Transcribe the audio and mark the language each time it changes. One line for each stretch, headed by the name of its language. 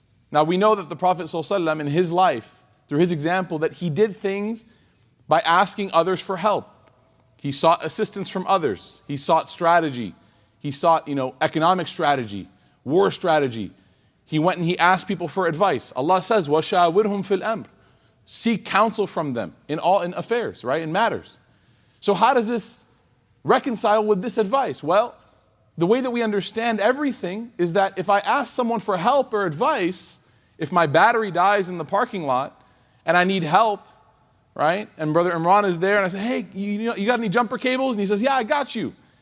English: Now we know that the Prophet ﷺ in his life, through his example, that he did things by asking others for help. He sought assistance from others. He sought strategy. He sought, you know, economic strategy, war strategy. He went and he asked people for advice. Allah says,
Arabic: وَشَاوِرْهُمْ فِي الْأَمْرِ.
English: Seek counsel from them in all in affairs, right, in matters. So how does this reconcile with this advice? Well, the way that we understand everything is that if I ask someone for help or advice, if my battery dies in the parking lot and I need help, right, and Brother Imran is there and I say, hey, you got any jumper cables? And he says, yeah, I got you.